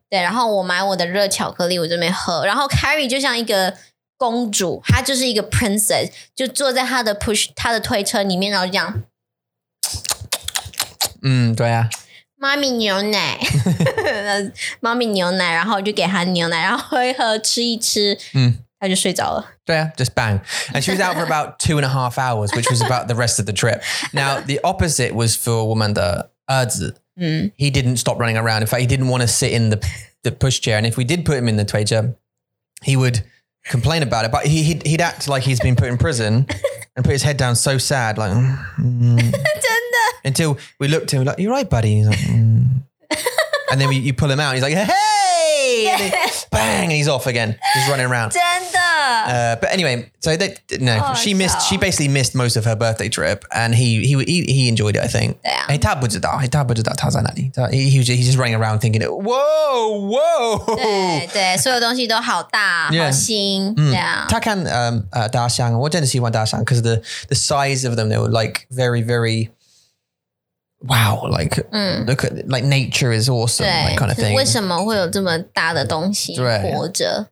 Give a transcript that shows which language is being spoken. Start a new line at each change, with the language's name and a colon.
Chinese: 对, 然后我买我的热巧克力, 我这边喝, 然后 Kyrie 就像一个公主, 她就是一个 princess, 就坐在她的 push, 她的推车里面, 然后就这样, 对啊。妈咪牛奶, 然后就给她牛奶, 然后喝一喝, 吃一吃, 她就睡着了。对啊,
English: just bang. And she was out for about 2.5 hours, which was about the rest of the trip. Now, the opposite was for
Chinese: 我们的儿子,
English: he didn't stop running around. In fact, he didn't want to sit in the push chair. And if we did put him in the tweeter, he would complain about it. But he'd act like he's been put in prison and put his head down so sad. Like, until we looked at him, like, you're right, buddy. He's like, And then you pull him out. He's like, hey, bang, and he's off again. Just running around. But anyway, so they, no, oh, she missed, so. She basically missed most of her birthday trip and he enjoyed it, I think. Yeah. He's just running around thinking, whoa, whoa.
Chinese: 对,所有东西都好大,好新, yeah. 他看大象,我真的喜欢大象,
English: because the size of them, they were like very, very, wow, like, look at, like nature is awesome, that kind of thing.
Chinese: 为什么会有这么大的东西活着?